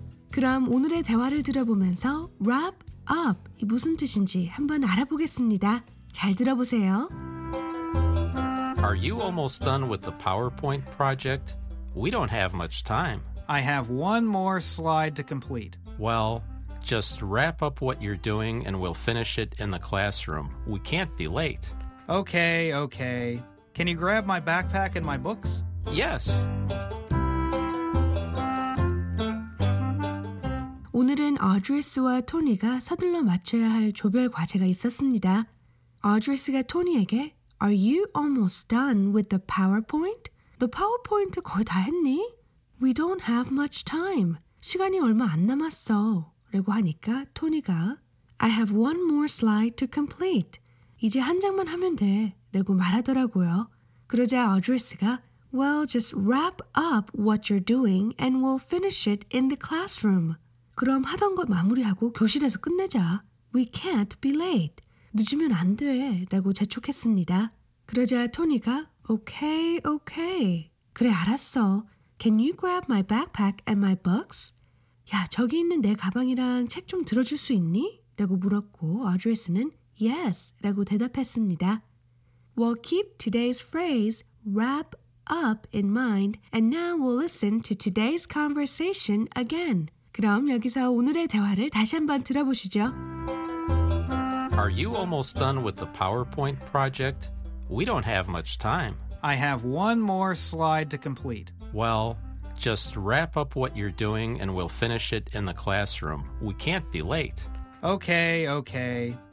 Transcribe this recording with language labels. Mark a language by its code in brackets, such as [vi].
[ko] 그럼 오늘의 대화를 들어보면서 wrap up이 무슨 뜻인지 한번 알아보겠습니다. 잘 들어보세요. [en] Are you almost done with the PowerPoint project? We don't have much time. I have one more slide to complete. Well, just wrap up what you're doing and we'll finish it in the classroom. We can't be late. Okay, okay. Can you grab my backpack and my books? Yes. [ko] 오늘은 어드레스와 토니가 서둘러 맞춰야 할 조별 과제가 있었습니다. 어드레스가 토니에게 [en] Are you almost done with the PowerPoint? The PowerPoint [ko] 거의 다 했니? [en] We don't have much time. [ko] 시간이 얼마 안 남았어. 라고 하니까 토니가 [en] I have one more slide to complete. [ko] 이제 한 장만 하면 돼. 라고 말하더라고요. 그러자 어드레스가 [en] Well, just wrap up what you're doing and we'll finish it in the classroom. [ko] 그럼 하던 것 마무리하고 교실에서 끝내자. [en] We can't be late. [ko] 늦으면 안 돼. 라고 재촉했습니다. 그러자 토니가 [en] Okay, okay. [ko] 그래, 알았어. [en] Can you grab my backpack and my books? [ko] 야, 저기 있는 내 가방이랑 책 좀 들어줄 수 있니? 라고 물었고 어드레스는 Yes, 라고 대답했습니다. [en] We'll keep today's phrase wrap up in mind and now we'll listen to today's conversation again. [ko] 그럼 여기서 오늘의 대화를 다시 한번 들어보시죠. [en] Are you almost done with the PowerPoint project? We don't have much time. I have one more slide to complete. Well, just wrap up what you're doing and we'll finish it in the classroom. We can't be late. Okay, okay.